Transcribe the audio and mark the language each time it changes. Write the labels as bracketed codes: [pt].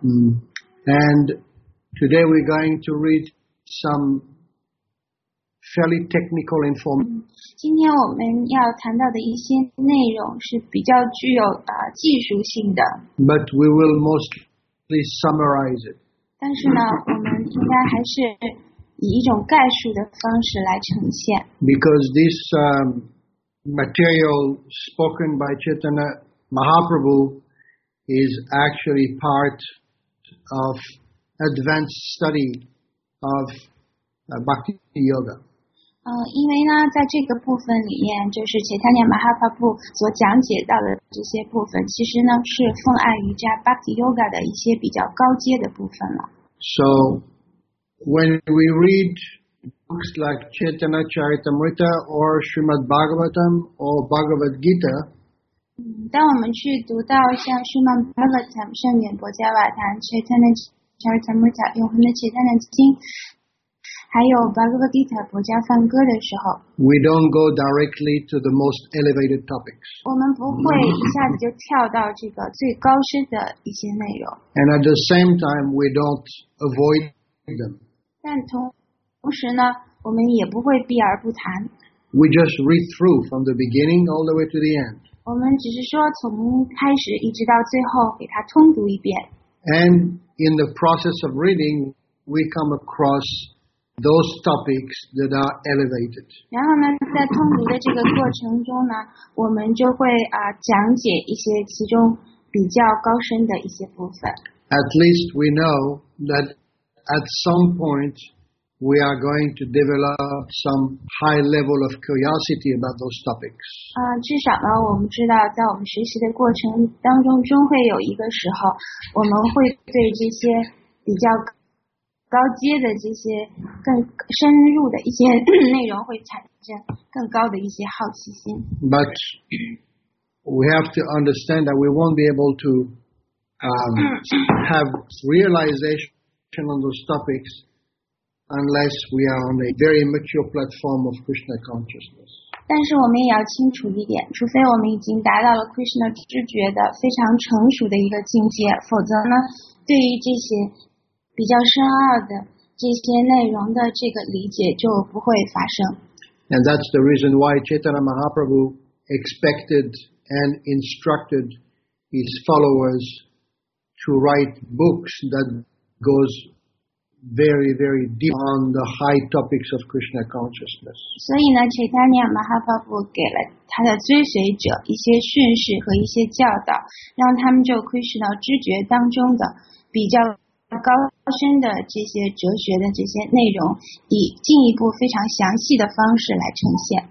[en] And today we're going to read some fairly technical information. [zh] 今天我们要谈到的一些内容是比较具有技术性的。 [en] But we will mostly summarize it. [zh] 但是呢，我们应该还是以一种概述的方式来呈现。 [en] Because this material spoken by Chaitanya Mahaprabhu is actually part of advanced study of Bhakti Yoga. [zh] 因为呢在这个部分里面就是切坦尼马哈帕布所讲解到的这些部分其实呢是奉爱瑜伽 Bhakti Yoga 的一些比较高阶的部分了。 [en] So, when we read books like Chaitanya Charitamrita or Srimad Bhagavatam or Bhagavad Gita, [zh] 当我们去读到像 Srimad Bhagavatam, 圣严伯伽瓦坛 Chaitanya Charitamrita, 永恒的切坦尼经还有 Bhagavad Gita 佛家梵歌的时候 [en] We don't go directly to the most elevated topics. [zh] 我们不会一下子就跳到这个最高深的一些内容 [en] And at the same time, we don't avoid them. [zh] 但同时呢我们也不会避而不谈 [en] We just read through from the beginning all the way to the end. [zh] 我们只是说从开始一直到最后给它通读一遍 [en] And in the process of reading, we come across those topics that are elevated. [zh] 然后呢在通读的这个过程中呢我们就会讲解一些其中比较高深的一些部分。 [en] At least we know that at some point we are going to develop some high level of curiosity about those topics. [zh] 至少呢我们知道在我们学习的过程当中终会有一个时候我们会对这些比较高阶的这些更深入的一些内容会产生更高的一些好奇心。 [en] But we have to understand that we won't be able to have realization on those topics unless we are on a very mature platform of Krishna consciousness. [zh] 但是我们也要清楚一点，除非我们已经达到了 Krishna 知觉的非常成熟的一个境界，否则呢，对于这些比较深奥的这些内容的这个理解就不会发生。 [en] And that's the reason why Chaitanya Mahaprabhu expected and instructed his followers to write books that goes very, very deep on the high topics of Krishna consciousness. [zh] 所以呢 Chaitanya Mahaprabhu 给了他的追随者一些训示和一些教导让他们就 Krishna 知觉当中的比较高深的这些哲学的这些内容以进一步非常详细的方式来呈现